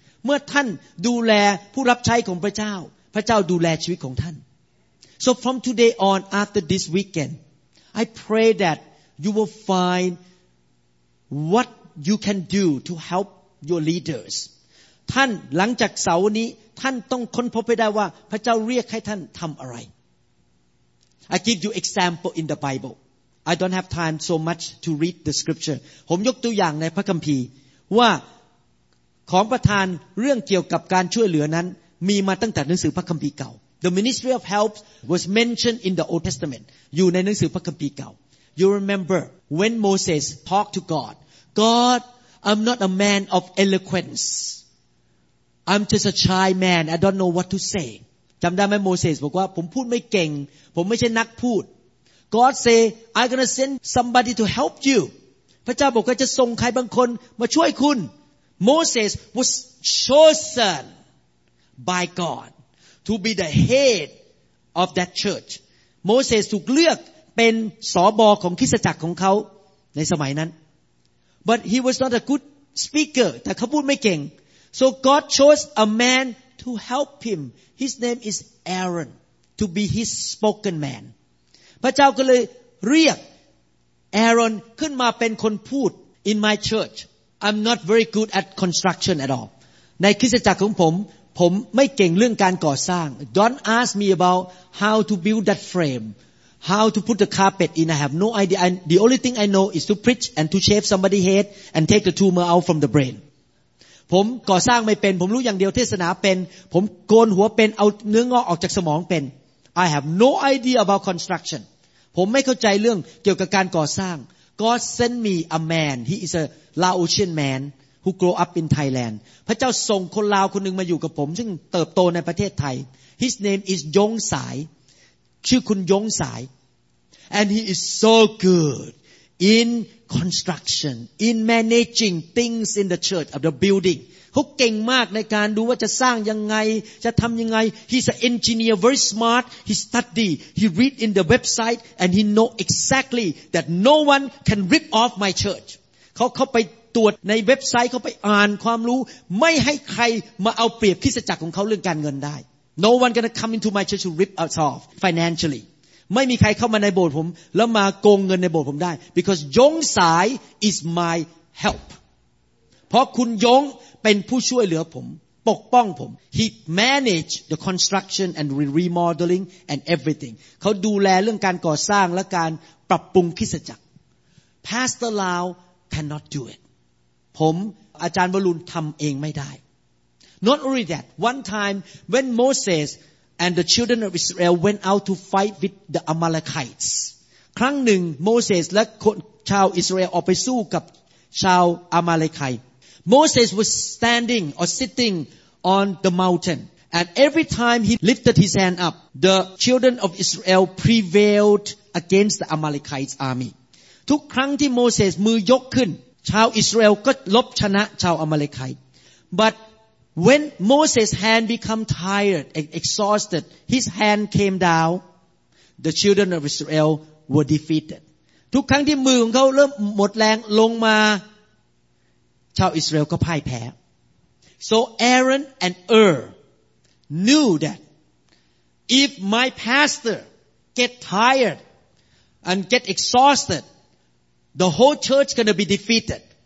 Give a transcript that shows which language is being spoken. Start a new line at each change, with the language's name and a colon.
Thai: เมื่อท่านดูแลผู้รับใช้ของพระเจ้าพระเจ้าดูแลชีวิตของท่าน
English: So from today on, after this weekend, I pray that you will find what you can do to help your leaders.
Thai: ท่านหลังจากเสาร์นี้ท่านต้องค้นพบให้ได้ว่าพระเจ้าเรียกให้ท่านทำอะไร
English: I give you example in the Bible. I don't have time so much to read the scripture.
Thai: ผมยกตัวอย่างในพระคัมภีร์ว่าของประทานเรื่องเกี่ยวกับการช่วยเหลือนั้นมีมาตั้งแต่หนังสือพระคัมภีร์เก่า
English: The ministry of help was mentioned in the Old Testament.
Thai: อยู่ในหนังสือพระคัมภีร์เก่า
English: You remember when Moses talked to God. God, I'm not a man of eloquence. I'm just a shy man. I don't know what to say.
Thai: จำได้ไหมโมเสสบอกว่าผมพูดไม่เก่งผมไม่ใช่นักพูด
English: God say, I'm going to send somebody to help you.
Thai: พระเจ้าบอกว่าจะส่งใครบางคนมาช่วยคุณ
English: Moses was chosen by God to be the head of that church.
Thai: Moses ถูกเลือกเป็นสบของคริสตจักรของเขาในสมัยนั้น
English: But he was not a good speaker.
Thai: แต่เขาพูดไม่เก่ง
English: So God chose a man to help him. His name is Aaron to be his spoken man.
Thai: พระเจ้าก็เลยเรียกแอรอนขึ้นมาเป็นคนพูด
English: In my church, I'm not very good at construction at all.
Thai: ในคริสตจักรของผมไม่เก่งเรื่องการก่อสร้าง
English: Don't ask me about how to build that frame, how to put the carpet in. I have no idea. And the only thing I know is to preach and to shave somebody's head and take the tumor out from the brain.
Thai: ผมก่อสร้างไม่เป็นผมรู้อย่างเดียวเทศนาเป็นผมโกนหัวเป็นเอาเนื้องอกออกจากสมองเป็น
English: I have no idea about construction.
Thai: ผมไม่เข้าใจเรื่องเกี่ยวกับการก่อสร้าง
English: God sent me a man he is a Laotian man who grew up in Thailand
Thai: พระเจ้าส่งคนลาวคนหนึ่งมาอยู่กับผมซึ่งเติบโตในประเทศไทย
English: His name is Yong Sai ชื่อคุณยงสาย and he is so good in construction in managing things in the church of the building
Thai: เขาเก่งมากในการดูว่าจะสร้างยังไงจะทำยังไง
English: He's an engineer, very smart. He study, he read in the website, and he know exactly that no one can rip off my church.
Thai: เขาไปตรวจในเว็บไซต์เขาไปอ่านความรู้ไม่ให้ใครมาเอาเปรียบคริสตจักรของเขาเรื่องการเงินได้
English: No one gonna come into my church to rip us off financially.
Thai: ไม่มีใครเข้ามาในโบสถ์ผมแล้วมาโกงเงินในโบสถ์ผมได้ because ยงสาย
English: is my help
Thai: เพราะคุณยงเป็นผู้ช่วยเหลือผมปกป้องผม
English: he manage the construction and remodeling and everything
Thai: เขาดูแลเรื่องการก่อสร้างและการปรับปรุงคริสตจักร
English: pastor Lau cannot do it
Thai: ผมอาจารย์วรุณทำเองไม่ได้
English: not only that one time when MosesAnd the children of Israel went out to fight with the Amalekites.
Thai: ครั้งหนึ่ง Moses และคนชาวอิสราเอลออกไปสู้กับชาว Amalekite.
English: Moses was standing or sitting on the mountain. And every time he lifted his hand up, the children of Israel prevailed against the Amalekite's army.
Thai: ทุกครั้งที่ Moses มือยกขึ้นชาวอิสราเอลก็ลบชนะชาว Amalekite.
English: ButWhen Moses' hand become tired and exhausted, his hand came down. The children of Israel were defeated.
Thai: ทุกครั้งที่มือของเขาเริ่มหมดแรงลงมาชาวอิสราเอลก็พ่ายแพ้
English: So Aaron and Ur knew that if my pastor get tired and get exhausted, the whole church gonna be defeated.